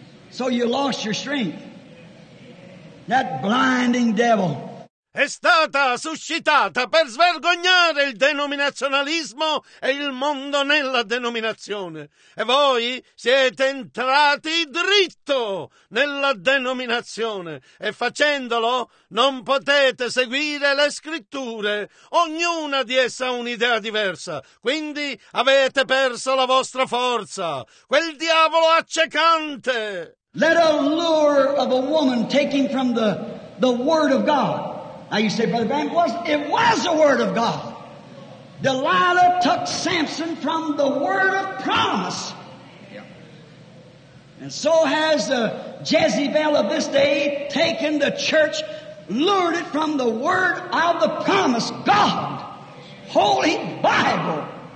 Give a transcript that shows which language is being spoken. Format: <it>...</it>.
<en>So you lost your strength. That blinding devil.</en> <it>È stata suscitata per svergognare il denominazionalismo e il mondo nella denominazione. E voi siete entrati dritto nella denominazione. E facendolo non potete seguire le scritture. Ognuna di esse ha un'idea diversa. Quindi avete perso la vostra forza. Quel diavolo accecante.</it> <en>Let a lure of a woman take him from the word of God. Now you say, Brother Branham, it was the Word of God. Delilah took Samson from the Word of promise. And so has the Jezebel of this day taken the church, lured it from the Word of the promise, God, Holy Bible.</en>